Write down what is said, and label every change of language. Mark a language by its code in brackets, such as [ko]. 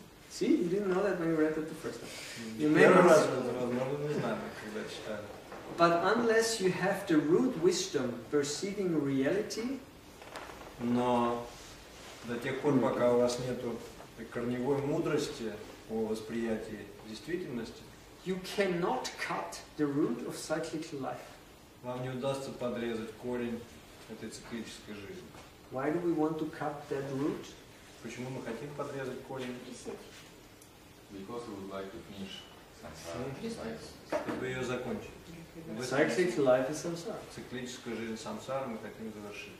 [en] See, you didn't know that when you read it the first time. You may not know that, [ru] когда читали. [en] But unless you have the root wisdom perceiving reality. [ru] Но до тех пор, пока у вас нету корневой мудрости. О восприятии действительности. [en] You cannot cut the root of cyclical life. [ru] Вам не удастся подрезать корень этой циклической жизни. [en] Why do we want to cut that root? [ru] Почему мы хотим подрезать корень? [en] Because we would like to finish samsara. [ru] Чтобы ее закончить. [en] Cyclical life is samsara. [ru] Циклическая жизнь самсара мы хотим завершить.